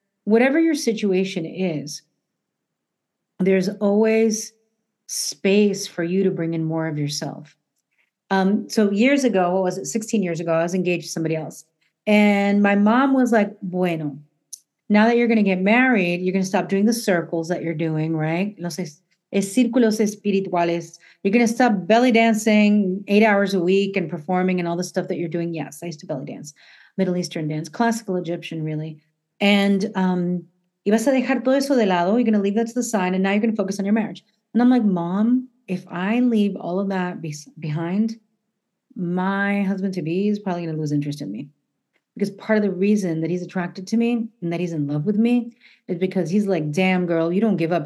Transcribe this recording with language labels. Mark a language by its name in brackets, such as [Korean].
[English] Whatever your situation is, there's always space for you to bring in more of yourself. So years ago, what was it? 16 years ago, I was engaged to somebody else. And my mom was like, bueno, now that you're going to get married, you're going to stop doing the circles that you're doing, right? [Spanish] Los círculos espirituales. [English] You're going to stop belly dancing 8 hours a week and performing and all the stuff that you're doing. Yes, I used to belly dance, Middle Eastern dance, classical Egyptian, really. [Spanish] And ibas a dejar todo eso de lado. [English] You're going to leave that to the side. And now you're going to focus on your marriage. And I'm like, mom, if I leave all of that behind, my husband-to-be is probably going to lose interest in me. Because part of the reason that he's attracted to me and that he's in love with me is because he's like, damn, girl, you don't give up.